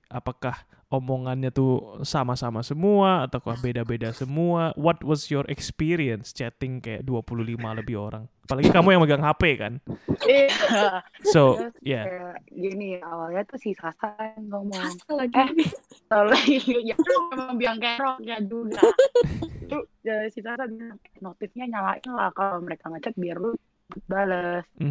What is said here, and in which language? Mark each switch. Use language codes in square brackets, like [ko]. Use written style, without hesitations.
[id] Apakah omongannya tuh sama-sama semua ataukah beda-beda semua? [en] What was your experience chatting [id] kayak 25 lebih orang? Apalagi kamu yang megang HP kan? [en] So, yeah. [id] Gini, awalnya tuh si Sasa yang ngomong. Soalnya ya memang biang keroknya juga. Tuh si Sasa bilang, notifnya nyalain lah kalau mereka ngechat biar lu balas.